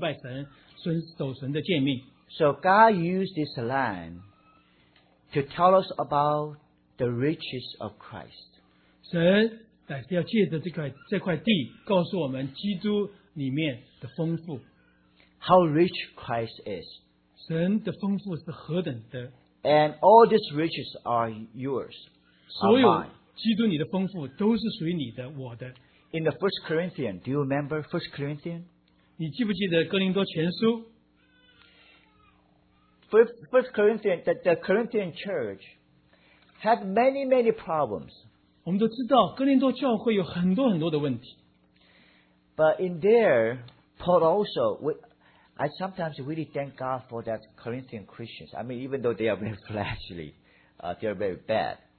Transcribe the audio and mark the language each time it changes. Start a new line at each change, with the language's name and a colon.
Chinese: 你们不需要像埃及那样的有完善的浇灌水的浇灌系统，我自然都会赐给你，只要你遵守我的诫命，做更重要的事情，我招你们做的事情就是敬拜神，遵守神的诫命。
English: So God used this land to tell us about the riches of Christ.
Chinese: 神要借着这块地告诉我们基督 里面的丰富,
English: how rich Christ is.
Chinese: 神的丰富是何等的,
English: and all these riches are yours.
Chinese: 所有基督你的丰富都是属于你的, 我的。
English: In the 1 Corinthians, do you remember 1 Corinthians?
Chinese: 你记不记得哥林多前书?
English: 1 Corinthians, the Corinthian church had many, many problems.
Chinese: 我们都知道哥林多教会有很多很多的问题。
English: But in there, Paul also, I sometimes really thank God for that Corinthian Christians. I mean, even though they are very fleshly, they are very bad.